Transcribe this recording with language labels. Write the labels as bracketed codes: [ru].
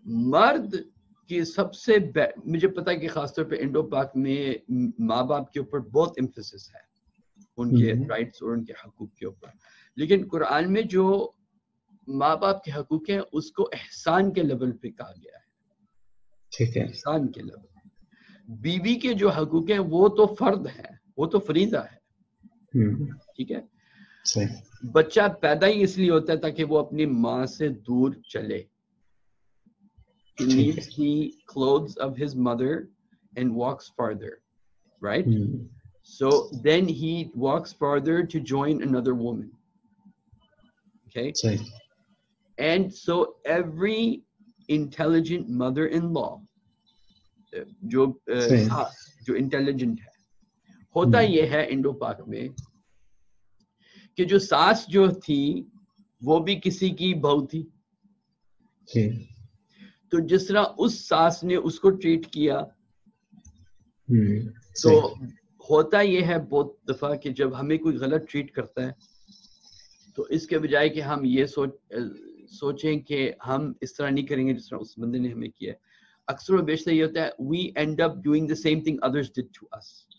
[ur] مرد کی سب سے مجھے پتا کہ خاص طور پہ انڈو پاک میں ماں باپ کے اوپر بہت امفیسس ہے ان کے رائٹس اور ان کے حقوق کے اوپر, لیکن قرآن میں جو ماں باپ کے حقوق ہیں اس کو احسان کے لیول پہ کہا گیا ہے. ٹھیک ہے. احسان کے لیول. بیوی کے جو حقوق ہیں وہ تو فرد ہیں, وہ تو فریضہ ہے. ٹھیک ہے. بچہ پیدا ہی اس لیے ہوتا ہے تاکہ وہ اپنی ماں سے دور چلے. [en] He needs the clothes of his mother and walks farther, right? So then he walks farther to join another woman. Okay? And so every intelligent mother-in-law [ur] جو انٹیلیجنٹ ہے ہوتا یہ ہے انڈو پاک میں کہ جو ساس جو تھی وہ بھی کسی کی بہو تھی, تو جس طرح اس ساس نے اس کو ٹریٹ کیا, تو ہوتا یہ ہے بہت دفعہ کہ جب ہمیں کوئی غلط ٹریٹ کرتا ہے تو اس کے بجائے کہ ہم یہ سوچیں کہ ہم اس طرح نہیں کریں گے جس طرح اس بندے نے ہمیں کیا, اکثر و بیشتر یہ ہوتا ہے [en] We end up doing the same thing others did to us.